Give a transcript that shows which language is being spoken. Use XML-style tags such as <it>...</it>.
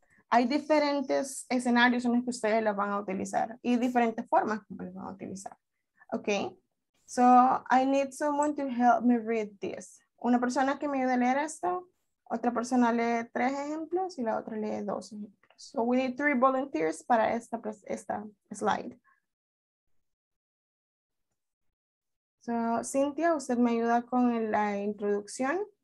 <es>Hay diferentes escenarios en los que ustedes la van a utilizar y diferentes formas que la van a utilizar.</es> <en>Okay, so I need someone to help me read this.</en> <es>Una persona que me ayude a leer esto, otra persona lee 3 ejemplos y la otra lee 2 ejemplos.</es> <en>So we need 3 volunteers</en> <es>para esta slide. So, Cynthia, usted me ayuda con la introducción.</es>